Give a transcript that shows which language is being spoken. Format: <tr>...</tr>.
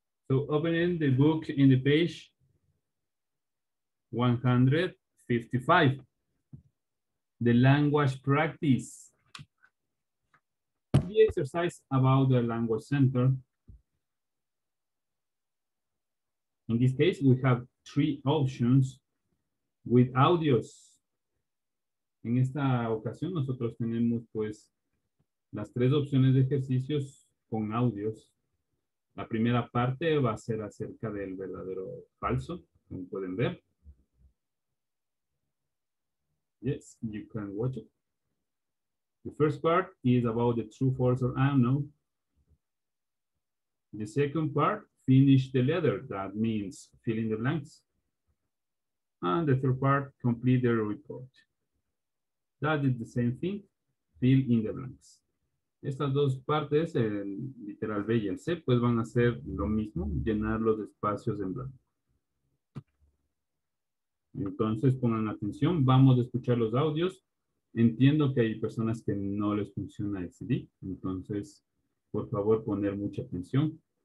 <en>So opening the book in the page 155, the language practice. The exercise about the language center. In this case, we have three options with audios.</en> <es>En esta ocasión, nosotros tenemos pues las tres opciones de ejercicios con audios. La primera parte va a ser acerca del verdadero falso, como pueden ver.</es> <en>Yes, you can watch it. The first part is about the true, false, or unknown. The second part, finish the letter. That means fill in the blanks. And the third part, complete the report. That is the same thing, fill in the blanks.</en> <es>Estas dos partes, el literal B y el C, pues van a ser lo mismo, llenar los espacios en blanco. Entonces pongan atención, vamos a escuchar los audios. Entiendo que hay personas que no les funciona el CD, entonces por favor poner mucha atención.</es>